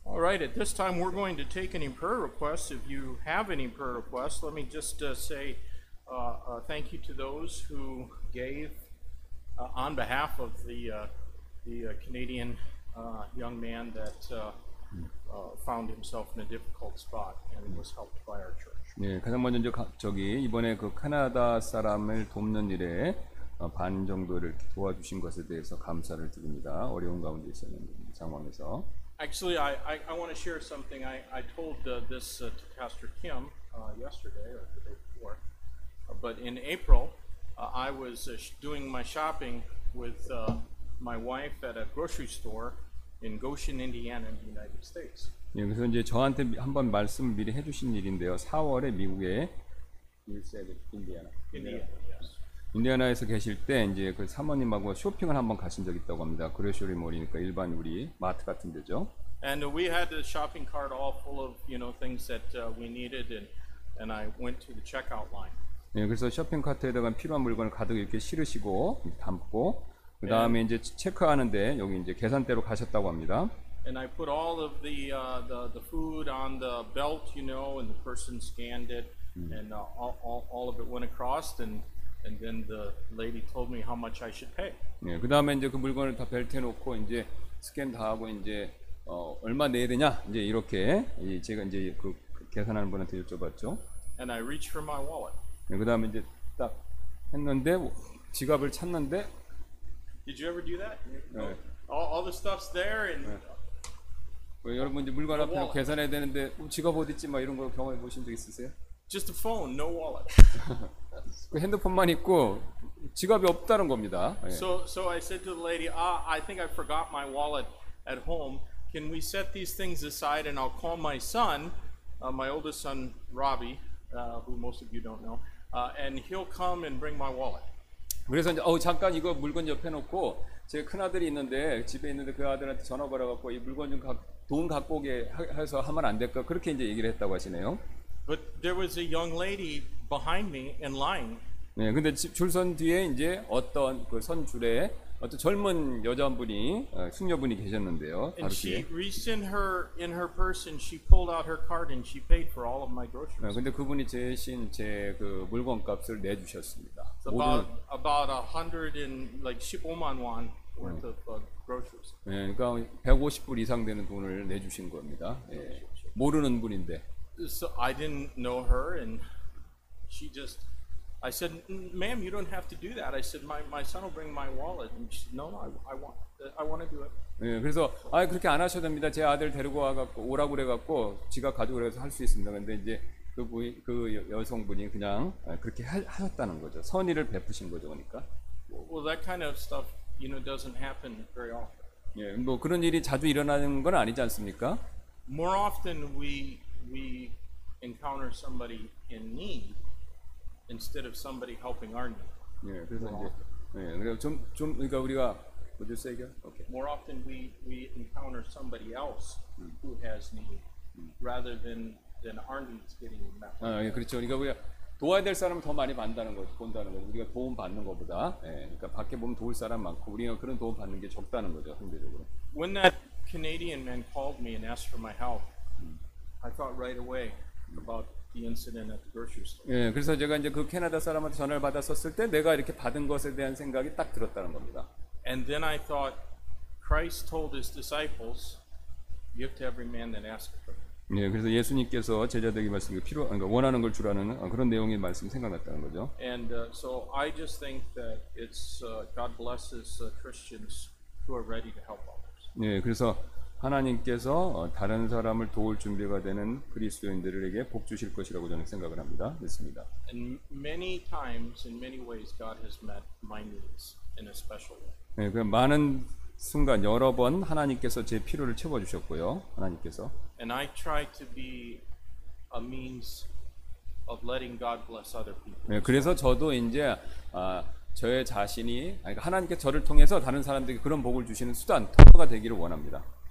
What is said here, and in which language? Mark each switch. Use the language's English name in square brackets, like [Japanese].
[English] Right, at this time we're going to take any prayer requests. If you have any prayer requests, let me just say thank you to those who gave on behalf of the Canadian young man that found himself in a difficult spot and was helped by our church. [Korean] 네, 가장 먼저 저기 이번에 그 캐나다 사람을 돕는 일에 반 정도를 도와주신 것에 대해서 감사를 드립니다. 어려운 가운데 있었는 상황에서. [English] Actually, I want to share something. I told this to Pastor Kim yesterday or the day before. But in April, I was doing my shopping with my wife at a grocery store in Goshen, Indiana, in the United States. [Korean] 예, 그래서 이제 저한테 한번 말씀 미리 해주신 일인데요. 4월에 미국에 [English] Indiana. [Korean] 인디애나에서 계실 때 이제 그 사모님하고 쇼핑을 한번 가신 적이 있다고 합니다. 그레셔리 몰이니까 일반 우리 마트 같은 데죠. [English] And we had the shopping cart all full of, you know, things that we needed and I went to the checkout line. [Korean] 네, 그래서 쇼핑 카트에다가 필요한 물건을 가득 이렇게 실으시고 담고 그다음에 이제 체크하는데 여기 이제 계산대로 가셨다고 합니다. [English] And I put all of the food on the belt, you know, and the person scanned it and all of it went across and then the lady told me how much I should pay. [Korean] 네, 그다음에 이제 그 물건을 다 벨트에 놓고 이제 스캔 다 하고 이제 얼마 내야 되냐? 이제 이렇게 이제 제가 이제 그 계산하는 분한테 여쭤봤죠. [English] And I reached for my wallet. [Korean] 네, 그다음에 이제 딱 했는데 지갑을 찾는데 [English] Did you ever do that? All the stuff's there and [Korean] 네. 여러분 이제 물건 앞에 놓고 계산해야 되는데 지갑 어디 있지? 막 이런 거 경험해 보신 적 있으세요? [English] Just a phone, no wallet. [Korean] 그 핸드폰만 있고 지갑이 없다는 겁니다. [English] So I said to the lady, I think I forgot my wallet at home. Can we set these things aside and I'll call my son, my oldest son Robbie, who most of you don't know, and he'll come and bring my wallet. [Korean] 그래서 이제 잠깐 이거 물건 옆에 놓고 제 큰 아들이 있는데 집에 있는데 그 아들한테 전화 걸어 갖고 이 물건 좀 돈 갖고 오게 해서 하면 안 될까 그렇게 이제 얘기를 했다고 하시네요. [English] But there was a young lady behind me in line. [Korean] 네, 근데 줄선 뒤에 이제 어떤 그 선 줄에 어떤 젊은 여자분이 숙녀분이 계셨는데요. [English] And she reached in her purse and she pulled out her card and she paid for all of my groceries. [Korean] 네, 근데 그분이 대신 제 그 물건 값을 내주셨습니다. [English] About 100 and like [Korean] 15만 원 [English] worth of groceries. [Korean] 네, 그러니까 150불 이상 되는 돈을 내주신 겁니다. 네, 모르는 분인데. [English] So I didn't know her, and she just. I said, "Ma'am, you don't have to do that." I said, "My son will bring my wallet." And she said, "No, I want to do it." [Korean] 네, 그래서 아예 그렇게 안 하셔도 됩니다. 제 아들 데리고 와갖고 오라고 그래갖고 지갑 가지고 그래서 할 수 있습니다. 근데 이제 그 여성분이 그냥 그렇게 하셨다는 거죠. 선의를 베푸신 거죠, 그러니까. [English] Well, that kind of stuff, you know, doesn't happen very often. [Korean] 예, 뭐 그런 일이 자주 일어나는 건 아니지 않습니까? [English] More often we encounter somebody in need instead of somebody helping our need. [Korean] 예, 그래서 이제, 예, 우리가 좀, 좀, 그러니까 우리가, [English] would you say again? Okay. More often we encounter somebody else who has need rather than our needs getting met. [Korean] 아, 예, 그렇죠. 그러니까 우리가 도와야 될 사람을 더 많이 받는 거죠. 본다는 거죠. 우리가 도움 받는 것보다, 예, 그러니까 밖에 보면 도울 사람 많고 우리는 그런 도움 받는 게 적다는 거죠, 상대적으로. [English] When that Canadian man called me and asked for my help, I thought right away about the incident at the grocery store. [Korean] 예, 그래서 제가 이제 그 캐나다 사람한테 전화를 받았었을 때 내가 이렇게 받은 것에 대한 생각이 딱 들었다는 겁니다. [English] And then I thought, Christ told his disciples, "Give to every man that asks for." [Korean] 예, 그래서 예수님께서 제자들에게 말씀이 필요, 그러니까 원하는 걸 주라는 그런 내용의 말씀이 생각났다는 거죠. [English] And so I just think that it's God blesses Christians who are ready to help others. [Korean] 예, 그래서 하나님께서 다른 사람을 도울 준비가 되는 그리스도인들에게 복 주실 것이라고 저는 생각을 합니다. 믿습니다. [English] And many times, in many ways, God has met my needs in a special way. [Korean] 예, 그 많은 순간 여러 번 하나님께서 제 필요를 채워 주셨고요. 하나님께서. [English] And I try to be a means of letting God bless other people. [Korean] 예, 그래서 저도 이제 저의 자신이 그러니까 하나님께 저를 통해서 다른 사람들에게 그런 복을 주시는 수단 통로가 되기를 원합니다.